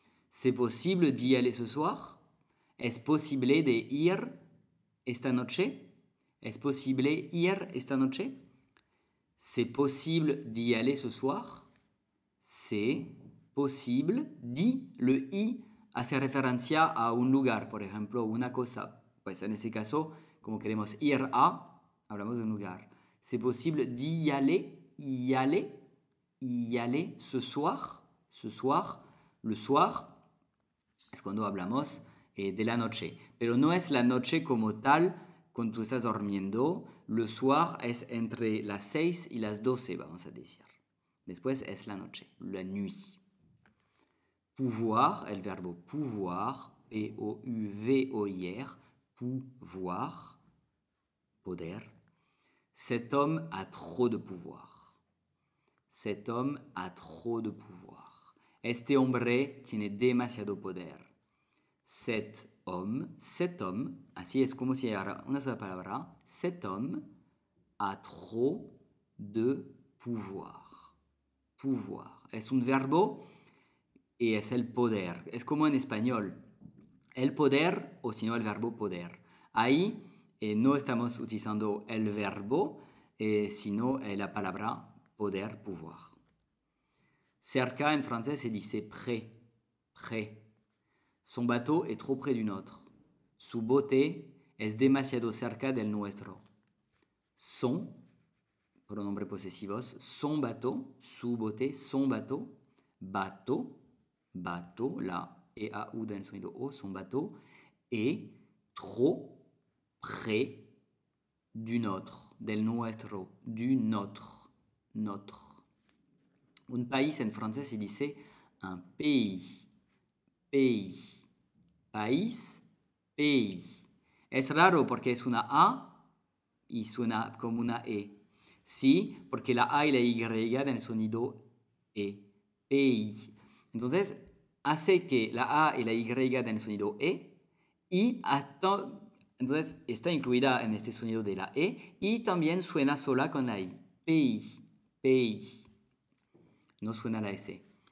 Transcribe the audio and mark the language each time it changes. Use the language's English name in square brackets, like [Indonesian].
[French] C'est possible d'y aller ce soir? [Spanish] Es posible de ir esta noche? Es posible ir esta noche? [French] C'est possible d'y aller ce soir? C'est possible d'y, [Spanish] le I hace referencia a un lugar, por ejemplo, una cosa. Pues en este caso, como queremos ir a, hablamos de un lugar. [French] C'est possible d'y aller, y aller? Y aller ce soir, le soir, [Spanish] es cuando hablamos de la noche. Pero no es la noche como tal cuando tú estás durmiendo. Le soir es entre las 6 y las 12, vamos a decir. Después es la noche, la nuit. Pouvoir, el verbo pouvoir, P-O-U-V-O-I-R, pouvoir, poder. [French] Cet homme a trop de pouvoir. Cet homme a trop de pouvoir. [Spanish] Este hombre tiene demasiado poder. Cet homme, así es como si era una sola palabra. [French] Cet homme a trop de pouvoir. [Spanish] Pouvoir. Es un verbo y es el poder. Es como en español. El poder o sino el verbo poder. Ahí no estamos utilizando el verbo, sino la palabra poder, pouvoir. Cerca en français se dice près. Près. [French] Son bateau est trop près du nôtre. [Spanish] Su bote es demasiado cerca del nuestro. [French] Son, [Spanish] pronombre possessivos, [French] son bateau, [Spanish] su bote, [French] son bateau, bateau, bateau, la E-A-U del sonido O, son bateau, est trop près du nôtre, [Spanish] del nuestro, [French] du nôtre. Notre. [Spanish] Un país en français se dice un pays. Pays. País, pays. Es raro porque es una A y suena como una E. Sí, porque la A y la Y en el sonido E. Pays. Entonces, hace que la A y la Y en el sonido E y hasta, entonces está incluida en este sonido de la E y también suena sola con la I. Pays. Pays. No suena la S.